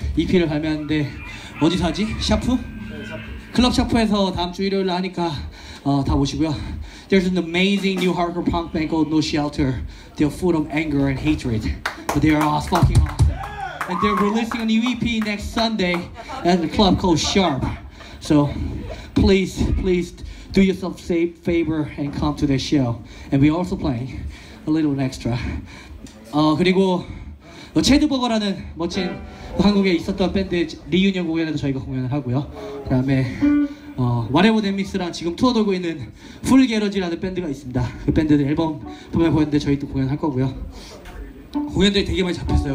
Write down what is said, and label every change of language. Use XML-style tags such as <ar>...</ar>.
<ko>EP를 발매하는데 어디서 하지? 샤프? 클럽 샤프에서 다음 주 일요일에 하니까 다 오시고요.</ko> <en>There's an amazing new hardcore punk band called No Shelter. They're full of anger and hatred, but they are all fucking awesome. And they're releasing a new EP next Sunday at a club called Sharp. So please, please do yourself a favor and come to their show. And we're also playing a little extra.</en> <ko>그리고 체드버거라는 멋진 한국에 있었던 밴드 리유니언 공연에도 저희가 공연을 하고요. 그 다음에 Whatever That Means랑 지금 투어 돌고 있는 Full Garage라는 밴드가 있습니다. 그 밴드들 앨범 보면 보였는데 저희도 공연할 거고요. 공연들이 되게 많이 잡혔어요.</ko>